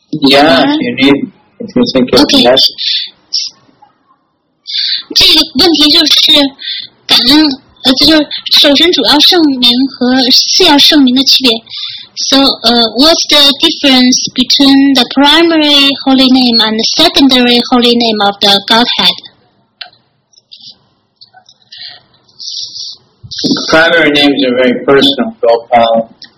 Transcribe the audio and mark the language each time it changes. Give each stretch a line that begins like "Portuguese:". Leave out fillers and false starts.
English: Yeah, if you need, if you think it's okay.
Chinese: 这个问题就是感恩，就是守神主要圣名和次要圣名的区别。
English: So, what's the difference between the primary holy name and the secondary holy name of the Godhead? The primary names are very personal, Gopal.